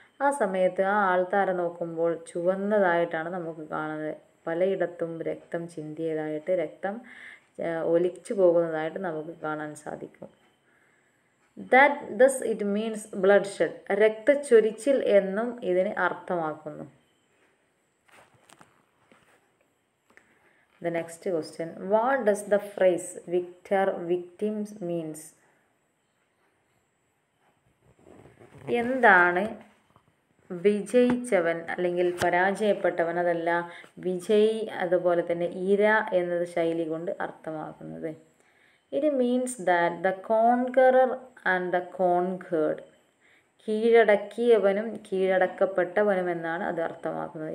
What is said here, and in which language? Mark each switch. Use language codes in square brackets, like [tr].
[ml] ആ സമയത്ത് ആ ആൾത്താരെ നോക്കുമ്പോൾ ചുവന്നതായിട്ടാണ് നമുക്ക് കാണുന്നത്. പലയിടത്തും രക്തം ചിന്തിയതായിട്ട്, രക്തം ഒലിച്ചു പോകുന്നതായിട്ട് നമുക്ക് കാണാൻ സാധിക്കും. [en] that does it means bloodshed, [ml] രക്തച്ചൊരിച്ചിൽ എന്നും ഇതിന് അർത്ഥമാക്കുന്നു. [en] The next question, what does the phrase victor victims means? [ml] എന്താണ് വിജയിച്ചവൻ അല്ലെങ്കിൽ പരാജയപ്പെട്ടവൻ, അതല്ല വിജയി അതുപോലെ തന്നെ ഇര എന്നത് ശൈലി കൊണ്ട് അർത്ഥമാക്കുന്നത്? [en] ഇത് means that the conqueror and the conquered, [ml] കീഴടക്കിയവനും കീഴടക്കപ്പെട്ടവനും എന്നാണ് അത് അർത്ഥമാക്കുന്നത്.